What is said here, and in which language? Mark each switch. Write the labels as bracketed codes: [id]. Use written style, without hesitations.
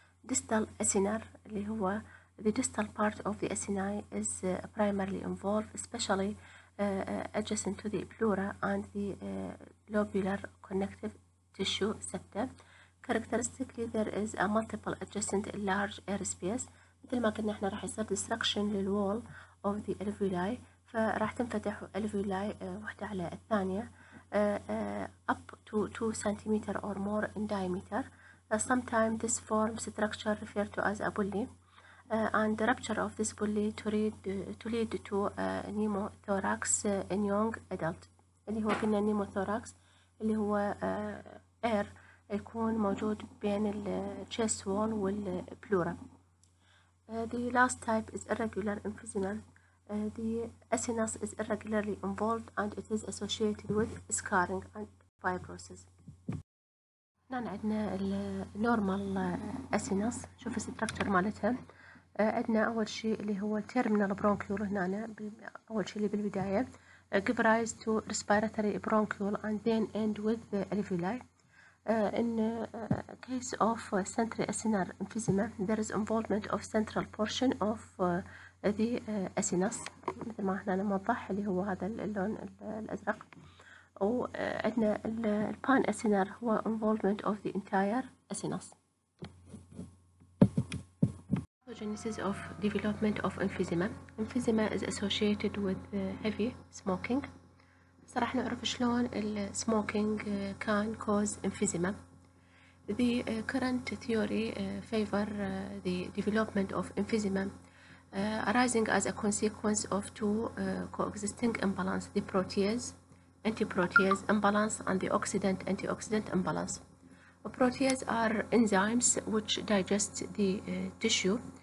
[en] Distal acinar, [ar] اللي هو [en] the distal part of the acini is primarily involved, especially adjacent to the pleura and the lobular connective tissue septa. Characteristically, there is a multiple adjacent large airspace. [ar] مثل ما قلنا احنا راح يصير destruction للwall of the alveoli, فراح تنفتح alveoli واحدة على الثانية. [en] Up to 2 cm or more in diameter. Sometimes this forms structure referred to as a bully, and the rupture of this bully to lead to pneumothorax in young adult. [ar] اللي هو قلنا pneumothorax اللي هو air يكون موجود بين ال chest wall وال pleura. [en] The last type is irregular emphysema. The acinus is irregularly involved and it is associated with scarring and fibrosis. [ar] هنا عندنا النورمال acinus, شوف الستركتشر مالتها. عندنا أول شيء اللي هو [en] terminal bronchiole [ar] هنا, أول شيء اللي بالبداية [en] give rise to respiratory bronchiole and then end with the alveoli. In case of centri acinar emphysema, there is involvement of central portion of the acinus, [ar] مثل ما احنا نوضح اللي هو هذا اللون الازرق. وعندنا البان acinar هو involvement of the entire acinus. [en] genesis of development of emphysema. Emphysema is associated with heavy smoking. [ar] صراح نعرف شلون السموكينج كان كوز emphysema. [en] The current theory favor the development of emphysema arising as a consequence of two coexisting imbalance, the protease antiprotease imbalance and the oxidant antioxidant imbalance. Proteases are enzymes which digest the tissue.